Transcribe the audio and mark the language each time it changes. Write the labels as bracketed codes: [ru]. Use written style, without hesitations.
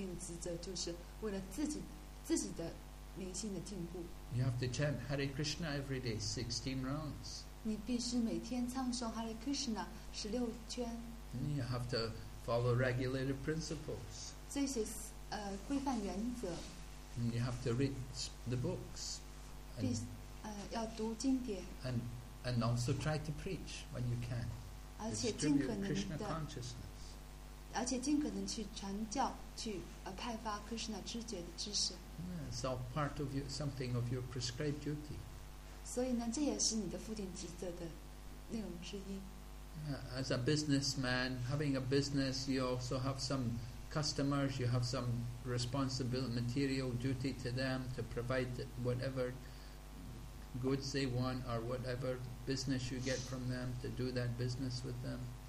[zh] 同时呢，你还有就是附定职责，就是为了自己的。 [en] You have to chant Hare Krishna every day, 16 rounds. [zh] 你必须每天唱诵 Hare Krishna 16圈。 [en] You have to follow regulated principles. [zh] 这些规范原则。 [en] You have to read the books. [zh] 要读经典。 [en] And also try to preach when you can. [zh] 而且尽可能的。 [en] Krishna consciousness. [zh] 而且尽可能去传教，去开发 Krishna 知觉的知识。 [en] It's all part of your, something of your prescribed duty. [zh] 所以呢，这也是你的附定职责的内容之一。 [en] As a businessman, having a business, you also have some customers, you have some responsibility, material duty to them to provide whatever goods they want or whatever business you get from them to do that business with them.